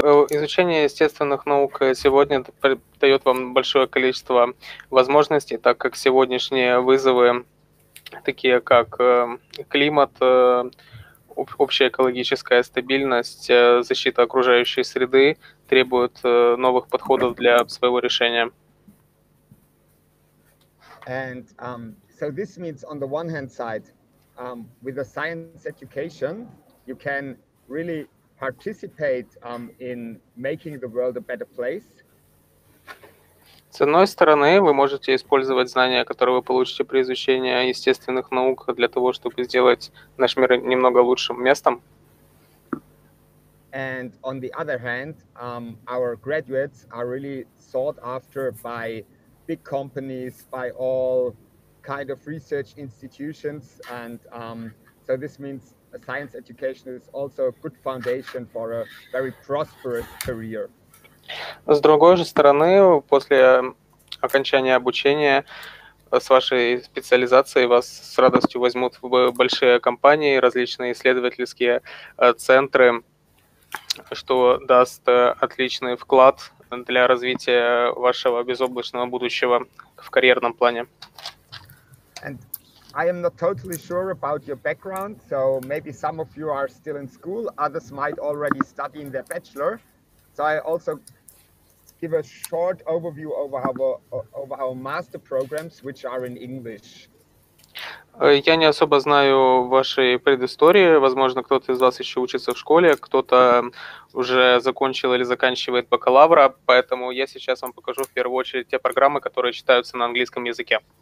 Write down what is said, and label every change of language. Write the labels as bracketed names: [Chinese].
[Russian] изучение естественных наук сегодня дает вам большое количество возможностей, так как сегодняшние вызовы, такие как климат, общая экологическая стабильность, защита окружающей среды, требуют новых подходов для своего решения. [English] And this means on the one hand side, with a science education, you can really participate in making the world a better place. [Russian] С одной стороны, вы можете использовать знания, которые вы получите при изучении естественных наук, для того, чтобы сделать наш мир немного лучшим местом. [English] And on the other hand, our graduates are really sought after by big companies, by all kind of research institutions, and this means a science education is also a good foundation for a very prosperous career. [Russian] С другой же стороны, после окончания обучения с вашей специализацией вас с радостью возьмут в большие компании, различные исследовательские центры, что даст отличный вклад для развития вашего безоблачного будущего в карьерном плане. [English] And I am not totally sure about your background, so maybe some of you are still in school, others might already study in their bachelor. So I also give a short overview over our master programs, which are in English. [Russian] Я не особо знаю вашей предыстории. Возможно, кто-то из вас еще учится в школе, кто-то уже закончил или заканчивает бакалавра, поэтому я сейчас вам покажу в первую очередь те программы, которые читаются на английском языке.